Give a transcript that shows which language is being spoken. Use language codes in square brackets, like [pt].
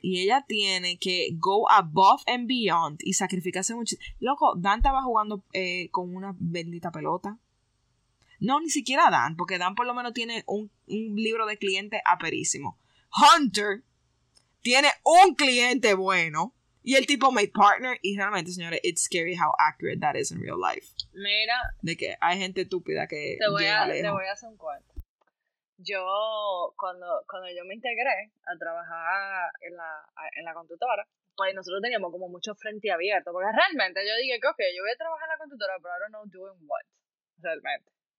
[es] Y ella tiene que [en] go above and beyond [es] y sacrificarse muchísimo. Loco, Dan estaba jugando con una bendita pelota. No, ni siquiera Dan, porque Dan por lo menos tiene un libro de cliente aperísimo. Hunter tiene un cliente bueno y el tipo made partner. Y realmente, señores, [en] it's scary how accurate that is in real life. [es] Mira. De que hay gente estúpida que te voy llega a lejos. Te voy a hacer un cuento. Yo, cuando yo me integré a trabajar en la constructora, pues nosotros teníamos como mucho frente abierto. Porque realmente yo dije que, ok, yo voy a trabajar en la constructora, pero [en] I don't know doing what, [es] realmente.